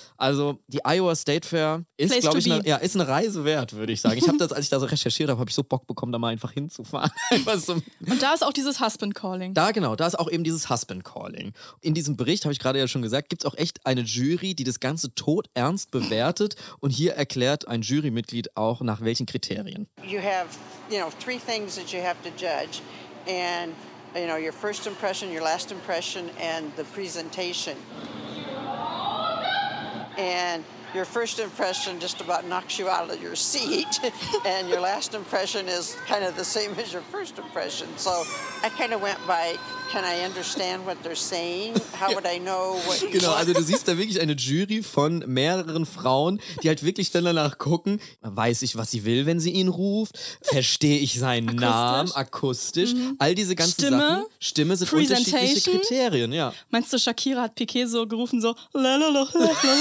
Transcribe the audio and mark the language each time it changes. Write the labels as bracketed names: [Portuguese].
[German] Also die Iowa State Fair ist, glaube ich, ist eine Reise wert, würde ich sagen. Ich habe das, als ich da so recherchiert habe, habe ich so Bock bekommen, da mal einfach hinzufahren. Und da ist auch dieses Husband Calling. Da genau, da ist auch eben dieses Husband Calling. In diesem Bericht, habe ich gerade ja schon gesagt, gibt es auch echt eine Jury, die das Ganze todernst bewertet. Und hier erklärt ein Jurymitglied auch, nach welchen Kriterien. [English] You have, you know, three things that you have to judge. And, you know, your first impression, your last impression and the presentation. And your first impression just about knocks you out of your seat. And your last impression is kind of the same as your first impression. So I kind of went by, can I understand what they're saying? How would I know what you... [German] Genau, also du siehst da wirklich eine Jury von mehreren Frauen, die halt wirklich dann danach gucken, weiß ich, was sie will, wenn sie ihn ruft? Verstehe ich seinen Namen akustisch? Mhm. All diese ganzen Stimme, Sachen. Stimme sind unterschiedliche Kriterien, ja. Meinst du, Shakira hat Piqué so gerufen, so lalalala?